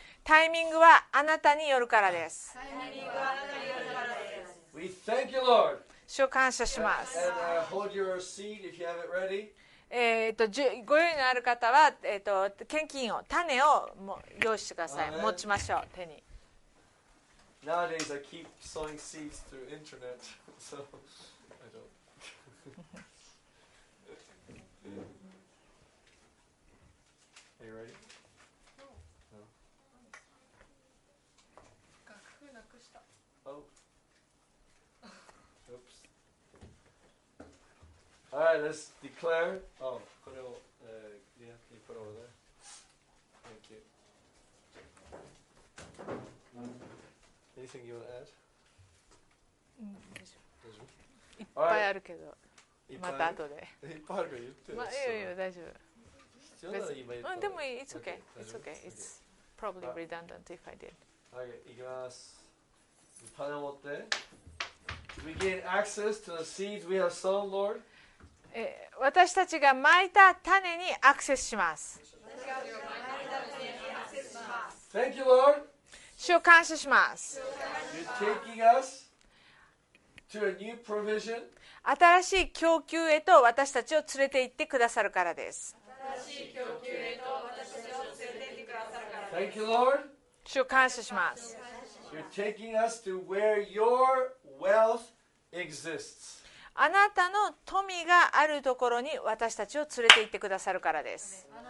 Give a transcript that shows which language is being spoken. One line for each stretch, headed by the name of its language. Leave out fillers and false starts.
Japanese: タイミングはあなたによるからです。
English: We thank you, Lord.
Japanese: 主を感謝します。
English: And, hold your seat if you have it ready.
Japanese: ご用意のある方は、献金を種を用意してください。持ちましょう手に。
English: Nowadays I keep sowing seeds through internet, so I don't. Are you ready? No.
Japanese: 楽譜なくした。
English: Oh. Oops. All right, let's declare. Oh,
Japanese: これを、
English: yeah, can you put over there? Thank you. Anything you want to add?
Japanese: いっぱいあるけど、また後で。いっぱいあるから言ってる。まあ、いいよいいよ、大丈夫。必要なら今言った。でもいい、
English: It's okay. It's okay. It's probably redundant if I did.
Japanese: Okay, 行きます。種を持って。
English: We gain access to the seeds we have sown, Lord.
Japanese: 私たちが蒔いた種にアクセスします。
English: Thank you, Lord.
Japanese: 主を感謝します。
English: You're taking us to a new provision.
Japanese: 新しい供給へと私たちを連れて行ってくださるからです。
English: Thank you, Lord.
Japanese: 主を感謝します。
English: You're taking us to where your wealth exists.
Japanese: あなたの富があるところに私たちを連れて行ってくださるからです。